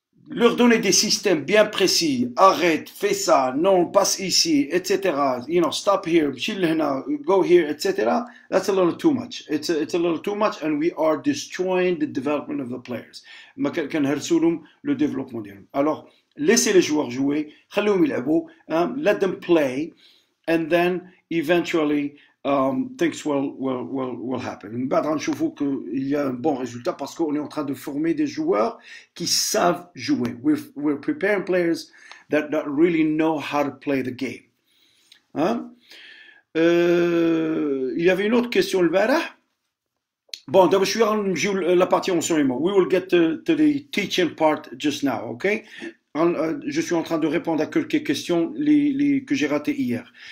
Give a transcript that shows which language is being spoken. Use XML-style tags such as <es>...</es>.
<fr>Leur donner des systèmes bien précis, arrête, fais ça, non, passe ici, etc.</fr> <en>You know, stop here, chill go here, etc. That's a little too much. It's a little too much and we are destroying the development of the players.</en> <ar>Ma kanhersulum</ar> <fr>le développement d'eux. Alors, laissez les joueurs jouer,</fr> <ar>khallihom ylabou,</ar> <en>let them play and then eventually things will happen.</en> <fr>Bah, on trouve qu'il y a un bon résultat parce qu'on est en train de former des joueurs qui savent jouer.</fr> <en>We're preparing players that really know how to play the game. Hein?</en> <fr>Il y avait une autre question le verre. Bon, d'abord, je suis en la partie enseignement.</fr> <en>We will get to the teaching part just now, OK?</en> <fr>Je suis en train de répondre à quelques questions que j'ai ratées hier.</fr>